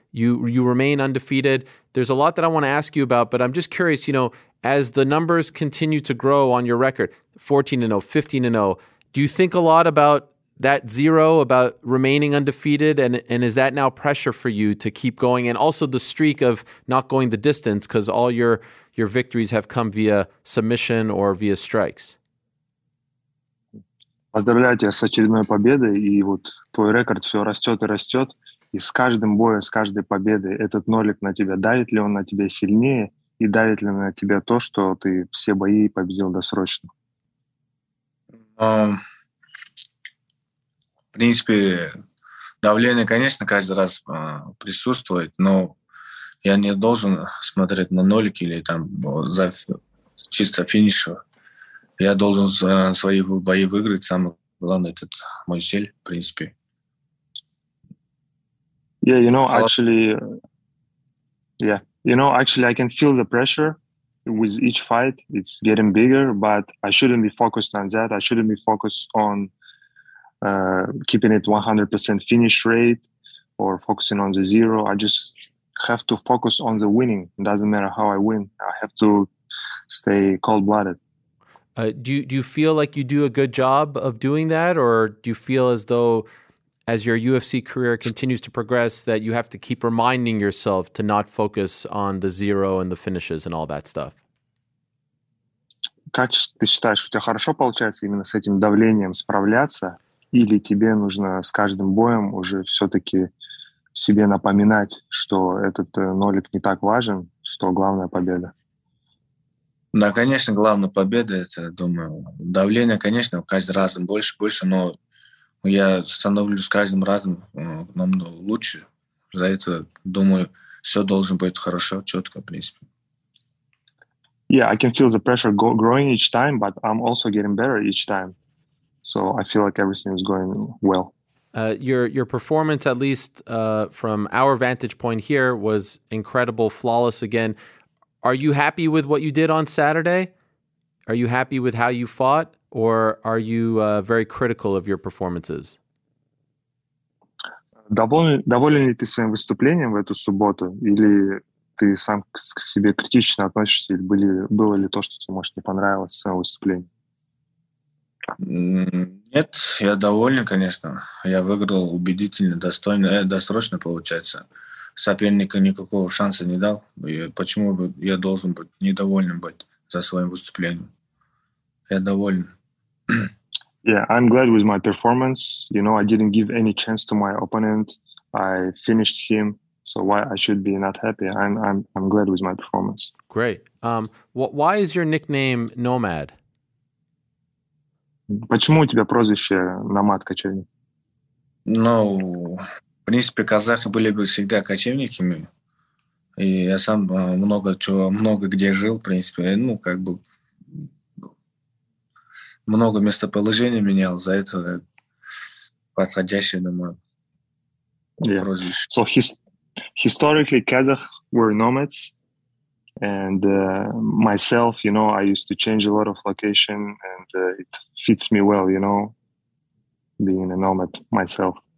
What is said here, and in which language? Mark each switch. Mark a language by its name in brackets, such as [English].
[English] You remain undefeated. There's a lot that I want to ask you about, but I'm just curious, you know, as the numbers continue to grow on your record, 14-0, 15-0, do you think a lot about that zero, about remaining undefeated, and is that now pressure for you to keep going? And also the streak of not going the distance, because all your victories have come via submission or via strikes. [Russian] Поздравляю тебя с очередной победой, и вот твой рекорд все растет и растет, и с каждым боем, с каждой победой этот нолик на тебя, давит ли он на тебя сильнее, и давит ли на тебя то, что ты все бои победил досрочно? В принципе, давление, конечно, каждый раз присутствует, но я не должен смотреть на нолики или там за чисто финиша. Я должен свои бои выиграть. Самое главное, этот мой цель, в принципе. [English] Yeah, you know, actually, I can feel the pressure with each fight. It's getting bigger, but I shouldn't be focused on that. I shouldn't be focused on keeping it 100% finish rate or focusing on the zero. I just have to focus on the winning. It doesn't matter how I win. I have to stay cold-blooded. Do you feel like you do a good job of doing that, or do you feel as though as your UFC career continues to progress that you have to keep reminding yourself to not focus on the zero and the finishes and all that stuff? [Russian] Как ты считаешь, у тебя хорошо получается именно с этим давлением справляться? Или тебе нужно с каждым боем уже все-таки себе напоминать, что этот нолик не так важен, что главная победа? Да, конечно, главная победа, это, думаю, давление, конечно, каждый раз больше, но я становлюсь с каждым разом намного лучше. За это, думаю, все должно быть хорошо, четко, в принципе. [English] Yeah, I can feel the pressure growing each time, but I'm also getting better each time. So I feel like everything is going well. Your performance, at least from our vantage point here, was incredible, flawless again. Are you happy with what you did on Saturday? Are you happy with how you fought? Or are you very critical of your performances? [Russian] Доволен ли ты своим выступлением в эту субботу? Или ты сам к себе критично относишься? Или было ли то, что тебе, может, не понравилось в своем выступлении? Нет, я доволен, конечно. Я выиграл убедительно, достойно, досрочно, получается. Соперника никакого шанса не дал. И почему бы я должен быть недовольным быть за своим выступлением? Я доволен. [English] Yeah, I'm glad with my performance. You know, I didn't give any chance to my opponent. I finished him. So why I should be not happy? I'm glad with my performance. Great. Why is your nickname Nomad? [Russian] Почему у тебя прозвище Номад Кочевник? Ну, в принципе, казахи были бы всегда кочевниками. И я сам много где жил, в принципе. Ну, как бы много местоположений менял, за это подходящее, думаю, yeah. Прозвище. [English] So historically Kazakh were nomads, and myself, you know, I used to change a lot of location, and it fits me well, you know, being a nomad myself.